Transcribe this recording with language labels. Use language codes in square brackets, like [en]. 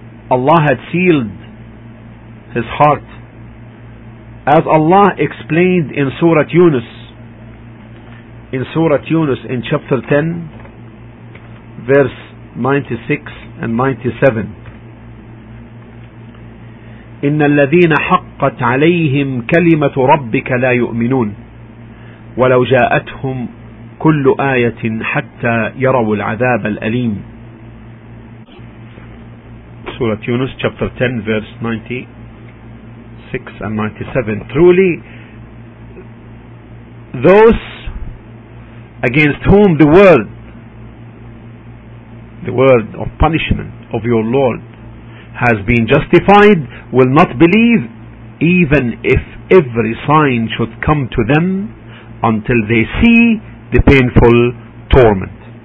[en] Allah had sealed his heart, as Allah explained in Surah Yunus, in Surah Yunus in chapter 10 verse 96 and 97. [ar] إن الذين حقت عليهم كلمة ربك لا يؤمنون ولو جاءتهم كل آية حتى يروا العذاب الأليم. [en] سورة يونس chapter 10 verse 96 and 97. Truly those against whom the word of punishment of your Lord has been justified will not believe even if every sign should come to them until they see the painful torment.